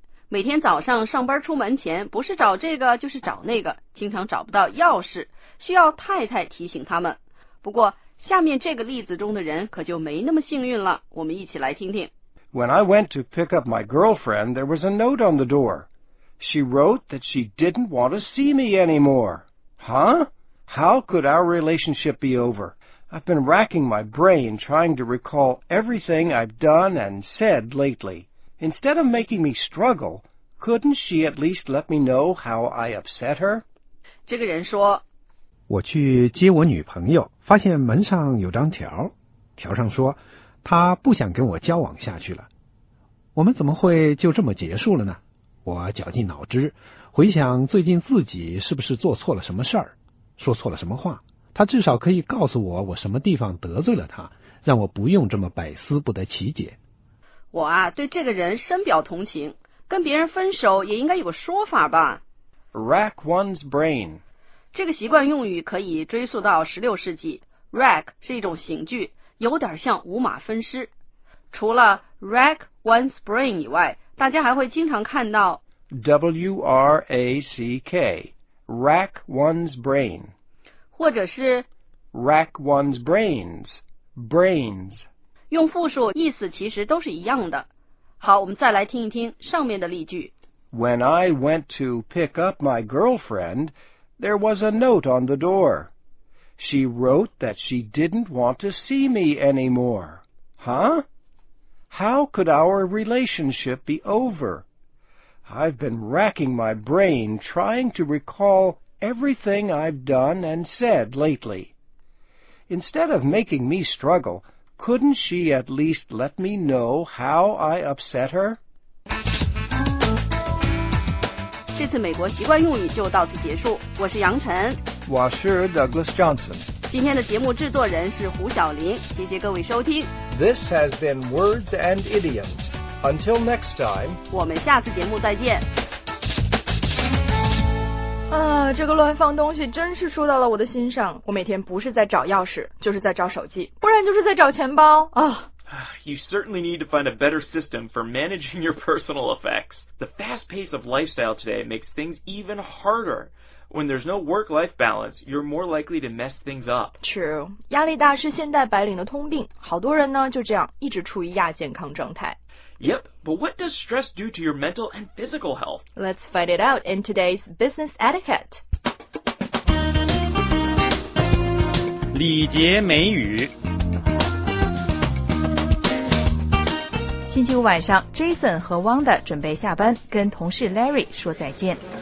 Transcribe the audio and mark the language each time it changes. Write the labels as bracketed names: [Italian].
[Chinese] 每天早上上班出门前，不是找这个就是找那个，经常找不到钥匙，需要太太提醒他们。不过，下面这个例子中的人可就没那么幸运了，我们一起来听听。 [English] When I went to pick up my girlfriend, there was a note on the door. She wrote that she didn't want to see me anymore. Huh? How could our relationship be over? I've been racking my brain trying to recall everything I've done and said lately. Instead of making me struggle, couldn't she at least let me know how I upset her? [Chinese] 这个人说，我去接我女朋友，发现门上有张条，条上说，她不想跟我交往下去了。我们怎么会就这么结束了呢？我绞尽脑汁，回想最近自己是不是做错了什么事儿，说错了什么话。她至少可以告诉我，我什么地方得罪了她，让我不用这么百思不得其解。我啊，对这个人深表同情，跟别人分手也应该有个说法吧。 [English] Rack one's brain. [Chinese] 这个习惯用语可以追溯到16世纪。 Rack 是一种刑具，有点像五马分尸。除了 [English] rack one's brain [Chinese] 以外，大家还会经常看到 [English] W-R-A-C-K, rack one's brain. [Chinese] 或者是 [English] rack one's brains, brains. [Chinese] 用复数意思其实都是一样的。好，我们再来听一听上面的例句。 [English] When I went to pick up my girlfriend, there was a note on the door. She wrote that she didn't want to see me anymore. Huh? How could our relationship be over? I've been racking my brain trying to recall everything I've done and said lately. Instead of making me struggle,Couldn't she at least let me know how I upset her? [Chinese] 这次美国习惯用语就到此结束。我是杨晨，我是 Douglas Johnson。今天的节目制作人是胡晓林，谢谢各位收听。 [English] This has been Words and Idioms. Until next time. [Chinese] 我们下次节目再见。啊，这个乱放东西真是说到了我的心上。我每天不是在找钥匙，就是在找手机，不然就是在找钱包啊。 [English] You certainly need to find a better system for managing your personal effects. The fast pace of lifestyle today makes things even harder. When there's no work-life balance, you're more likely to mess things up. True. [Chinese] 压力大是现代白领的通病，好多人呢就这样一直处于亚健康状态。 [English] Yep, but what does stress do to your mental and physical health? Let's find it out in today's business etiquette. [Chinese] 礼节美语。星期五晚上 ，Jason 和 Wanda 准备下班，跟同事 Larry 说再见。